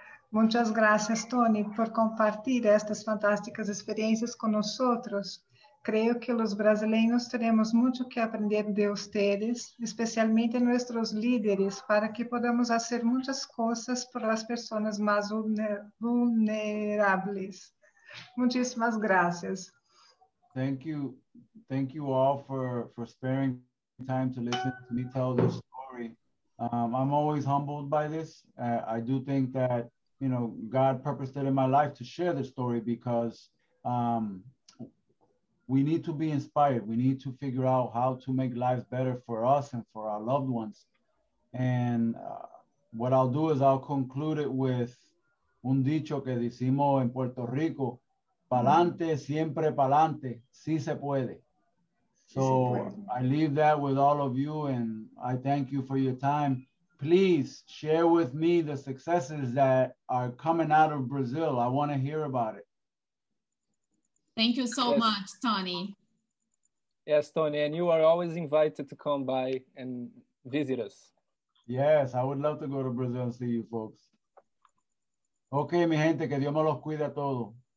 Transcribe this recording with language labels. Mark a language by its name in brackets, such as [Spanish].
[Spanish] Muchas gracias, Tony, por compartir estas fantásticas experiencias con nosotros. Creo que los brasileños tenemos mucho que aprender de ustedes, especialmente nuestros líderes, para que podamos hacer muchas cosas por las personas más vulnerables. Muchísimas gracias. [English] Thank you. Thank you all for sparing time to listen to me tell this story. I'm always humbled by this. I do think that, you know, God purposed it in my life to share this story because we need to be inspired. We need to figure out how to make lives better for us and for our loved ones. And what I'll do is I'll conclude it with [Spanish] un dicho que decimos en Puerto Rico, pa'lante, siempre pa'lante, si se puede. [English] So I leave that with all of you, and I thank you for your time. Please share with me the successes that are coming out of Brazil. I want to hear about it. Thank you so much, Tony. Yes, Tony, and you are always invited to come by and visit us. Yes, I would love to go to Brazil and see you folks. [Spanish] Okay, mi gente, que Dios me los cuide a todos.